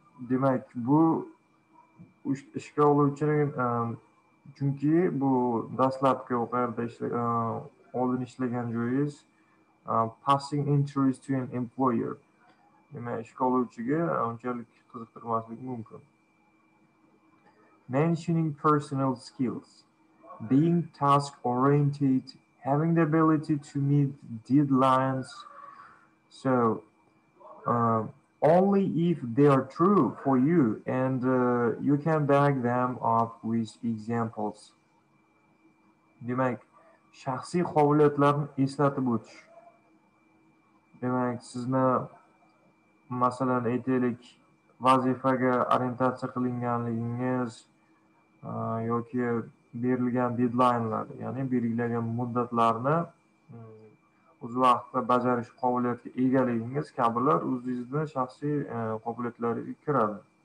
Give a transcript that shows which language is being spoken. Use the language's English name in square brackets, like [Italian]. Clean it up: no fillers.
[Uzbek] Demak, bu ishga oluvchi, chunki bu dastlabki o'qayda oldin ishlagan joyingiz [English] passing interest to an employer. [Uzbek] Demak, ishga oluvchiga unchalik qiziqtirmasligi mumkin. [English] Mentioning personal skills, being task oriented, having the ability to meet deadlines. So only if they are true for you and you can back them up with examples. [Uzbek] Demak, shaxsiy qobiliyatlarni eslatib o'tish. Demak, sizni masalan aytaylik vazifaga orientatsiya qilinganligingiz yoki berilgan deadline'lar, ya'ni belgilangan muddatlarni o'z vaqtida bajarish qobiliyatiga egaligingiz kabilar o'zingizni shaxsiy qobiliyatlariga kiradi.